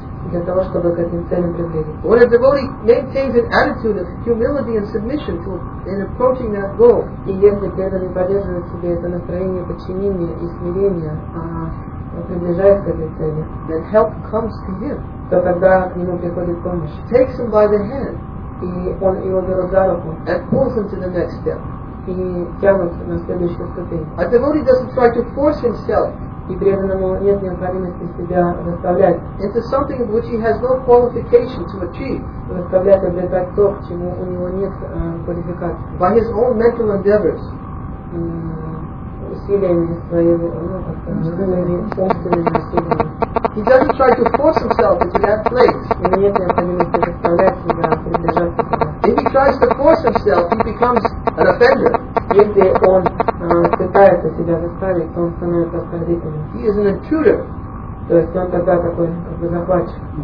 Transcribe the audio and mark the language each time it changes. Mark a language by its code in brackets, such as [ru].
[ru] для того, чтобы к этим целям приблизиться. [en] When a devotee maintains an attitude of humility and submission to in approaching that goal, [ru] и если преданный поддерживает в себе это настроение подчинения и смирения, приближаясь к этой цели, [en] then help comes to him. [ru] То тогда к нему приходит помощь. [en] Takes him by the hand, [ru] и он его берет за руку, [en] and pulls him to the next step. [ru] И тянут на следующую ступень. [en] A devotee doesn't try to force himself. [ru] И преданному нет необходимости себя заставлять. [en] Into something which he has no qualification to achieve. [ru] Заставлять обретать то, к чему у него нет квалификации. [en] By his own mental endeavors. [ru] Усилиями своими, умственными усилиями. [en] He doesn't try to force himself into that place. [ru] Ему нет необходимости заставлять себя приближаться. [en] If he tries to force himself, he becomes an offender. [ru] Если он пытается себя заставить, то он становится оскорбителем. [en] He is an intruder. [ru] То есть он тогда такой, как бы, захватчик.